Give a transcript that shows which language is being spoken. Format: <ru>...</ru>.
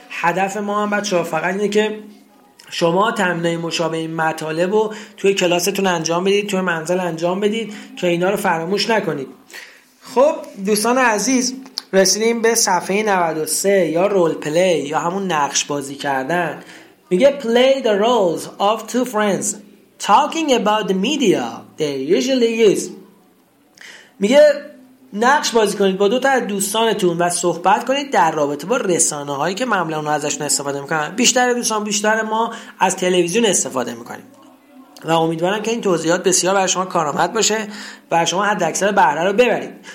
<fa>هدف ما هم بچه‌ها فقط اینه که شما تمرینای مشابه این مطالب رو توی کلاستون انجام بدید، توی منزل انجام بدید که اینا رو فراموش نکنید. خب دوستان عزیز رسیدیم به صفحه 93 یا رول پلی یا همون نقش بازی کردن. میگه</fa> <en>play the roles of two friends talking about the media they usually use.</en> <fa>میگه نقش بازی کنید با دو تا از دوستانتون و صحبت کنید در رابطه با رسانه‌هایی که معمولا اونا ازشون استفاده میکنن. بیشتر دوستان، بیشتر ما از تلویزیون استفاده میکنیم و امیدوارم که این توضیحات بسیار برای شما کارآمد باشه و شما حداکثر بهره رو ببرید.</fa>